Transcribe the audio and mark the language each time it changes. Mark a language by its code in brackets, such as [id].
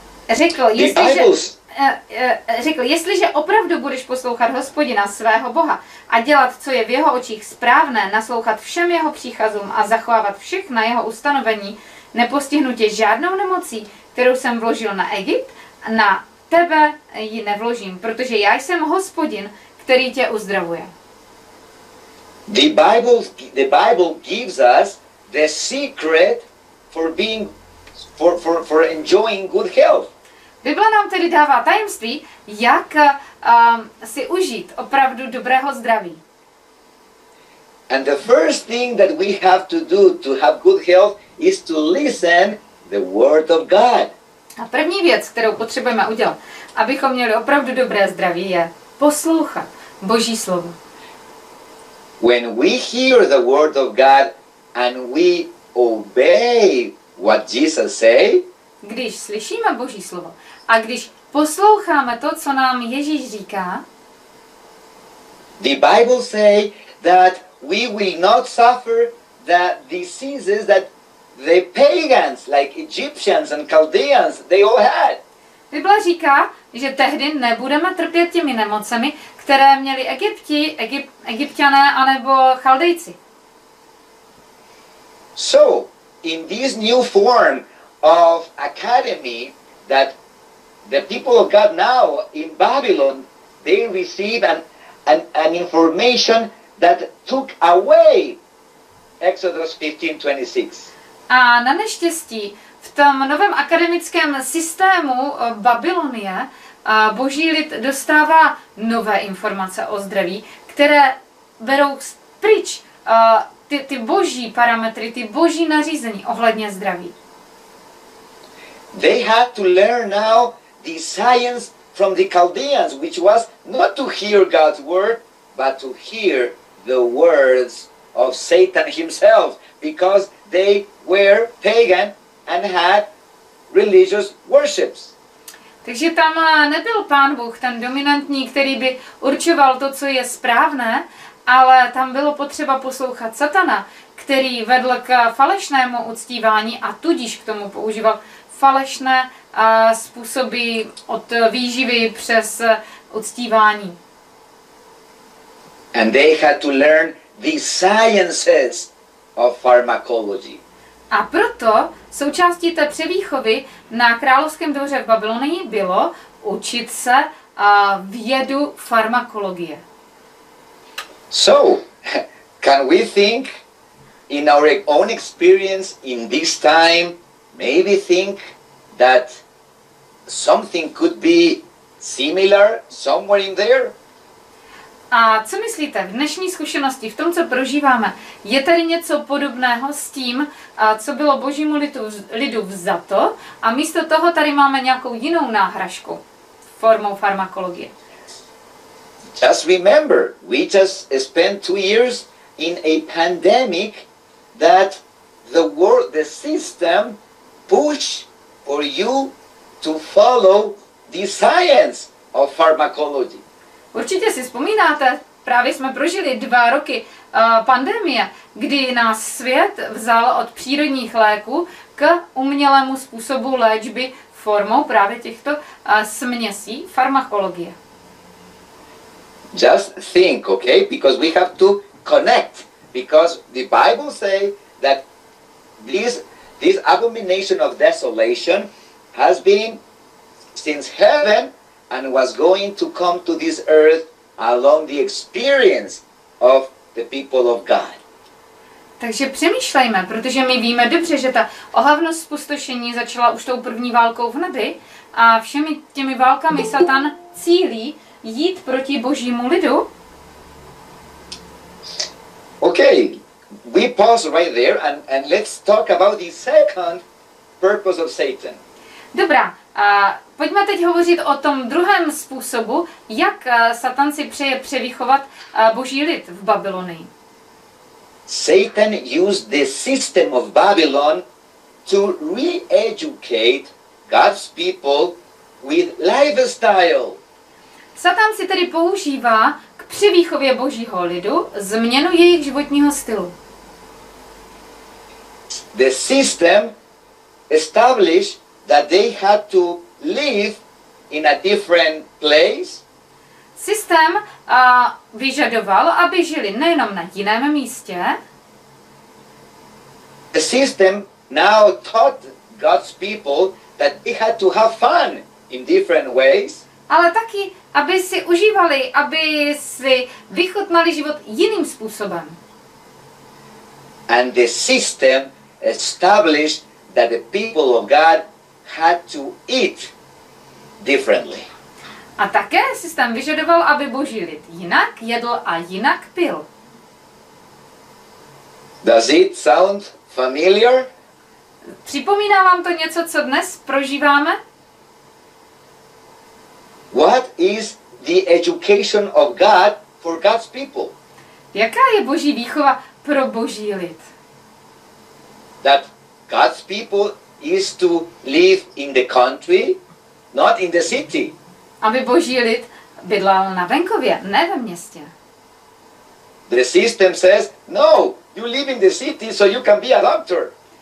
[cs] Řekl, jestliže opravdu budeš poslouchat Hospodina svého Boha a dělat, co je v jeho očích správné, naslouchat všem jeho příkazům a zachovávat všechna jeho ustanovení, nepostihnu tě žádnou nemocí, kterou jsem vložil na Egypt, na tebe ji nevložím, protože já jsem Hospodin, který tě uzdravuje. [en] The Bible gives us the secret for being for enjoying good health. [cs] Bible nám tedy dává tajemství, jak si užít opravdu dobrého zdraví. [en] And the first thing that we have to do to have good health is to listen the word of God. [cs] A první věc, kterou potřebujeme udělat, abychom měli opravdu dobré zdraví, je poslouchat Boží slovo. [en] When we hear the word of God and we obey what Jesus say, [cs] když slyšíme Boží slovo a když posloucháme to, co nám Ježíš říká, [en] the Bible say that we will not suffer the diseases that the pagans like Egyptians and Chaldeans they all had. [cs] Bible říká, že tehdy nebudeme trpět těmi nemocemi, které měli Egypťané anebo Chaldejci. [en] So, in this new form of academy that the people of God now in Babylon, they receive an information that took away Exodus 15:26. [cs] A na neštěstí v tom novém akademickém systému Babylonie Boží lid dostává nové informace o zdraví, které berou pryč ty boží parametry, ty boží nařízení ohledně zdraví. [en] They had to learn now the science from the Chaldeans, which was not to hear God's word, but to hear the words of Satan himself, because they were pagan and had religious worships. [cs] Takže tam nebyl Pán Bůh, ten dominantní, který by určoval to, co je správné, ale tam bylo potřeba poslouchat Satana, který vedl k falešnému uctívání a tudíž k tomu používal falešné způsoby od výživy přes uctívání. [en] And they had to learn the sciences of pharmacology. [cs] A proto součástí té převýchovy na královském dvoře v Babylonii bylo učit se vědu farmakologie. [en] So, can we think in our own experience in this time, maybe think that something could be similar somewhere in there? [cs] A co myslíte, v dnešní zkušenosti, v tom, co prožíváme, je tady něco podobného s tím, co bylo Božímu lidu vzato a místo toho tady máme nějakou jinou náhražku formou farmakologie? [en] Just remember, we just spent 2 years in a pandemic that the world, the system pushed for you to follow the science of pharmacology. [cs] Určitě si vzpomínáte, právě jsme prožili 2 roky pandemie, kdy nás svět vzal od přírodních léků k umělému způsobu léčby formou právě těchto směsí farmakologie. [en] Just think, okay? Because we have to connect. Because the Bible says that this abomination of desolation has been since heaven and was going to come to this earth along the experience of the people of God. [cs] Takže přemýšlejme, protože my víme dobře, že ta ohavnost zpustošení začala už tou první válkou v nebi a všemi těmi válkami Satan cílí jít proti Božímu lidu. [en] Okay, we pause right there and let's talk about the second purpose of Satan. [cs] Dobrá, pojďme teď hovořit o tom druhém způsobu, jak Satan si přeje převychovat Boží lid v Babylonii. [en] Satan used the system of Babylon to re-educate God's people with lifestyle. [cs] Satan si tedy používá k převýchově Božího lidu změnu jejich životního stylu. [en] The system established that they had to live in a different place. [cs] Systém vyžadoval, aby žili nejenom na jiném místě. [en] The system now taught God's people that they had to have fun in different ways. [cs] Ale taky, aby si užívali, aby si vychutnali život jiným způsobem. [en] And the system established that the people of God had to eat differently. [cs] A také systém vyžadoval, aby Boží lid jinak jedl a jinak pil. [en] Does it sound familiar? [cs] Připomíná vám to něco, co dnes prožíváme? [en] What is the education of God for God's people? [cs] Jaká je Boží výchova pro Boží lid? [en] That God's people is to live in the country, not in the city. [cs] Aby Boží lid bydlal na venkově, ne ve městě. [en] The system says, no, you live in the city, so you can be a doctor.